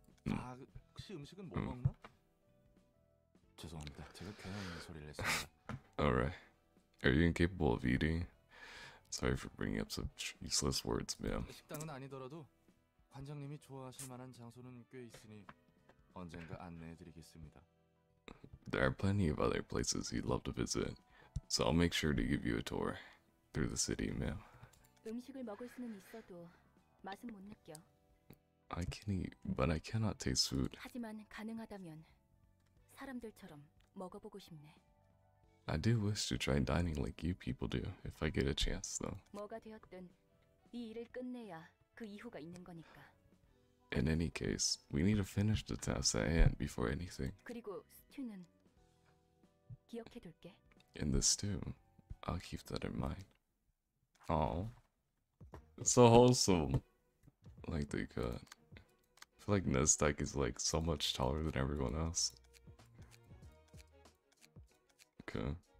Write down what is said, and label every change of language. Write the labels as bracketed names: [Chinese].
[Korean] 아, 혹시 음식은 뭐 먹나? 죄송합니다. 제가 괜한 소리를 했습니다. [English] Alright. Are you incapable of eating? Sorry for bringing up such useless words, ma'am. [Korean] 식당은 아니더라도 관장님이 좋아하실 만한 장소는 꽤 있으니 언젠가 안내해드리겠습니다. [English] There are plenty of other places you'd love to visit, so I'll make sure to give you a tour through the city, ma'am. [Korean] 음식을 먹을 수는 있어도 맛은 못 느껴. [English] I can eat, but I cannot taste food. [Korean] 하지만 가능하다면 사람들처럼 먹어보고 싶네. [English] I do wish to try dining like you people do, if I get a chance, though. [Korean] 뭐가 되었든 이 일을 끝내야 그 이후가 있는 거니까. [English] In any case, we need to finish the task at hand before anything. [Korean] 그리고 스튜는 기억해둘게. [English] In the stew, I'll keep that in mind. Aww. It's so wholesome. Like they could. I feel like Nezdek is like so much taller than everyone else. Okay.